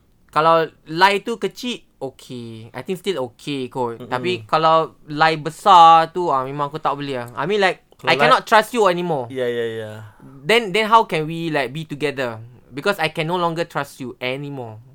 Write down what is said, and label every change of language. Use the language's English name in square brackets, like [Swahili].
[English] Kalau lie [Malay] tu kecil, [English] okay, I think still okay kot. [Malay] Tapi kalau lie besar tu, memang aku tak boleh lah. [English] I mean like, kalau I cannot trust you anymore. Yeah. Then how can we like be together? Because I can no longer trust you anymore.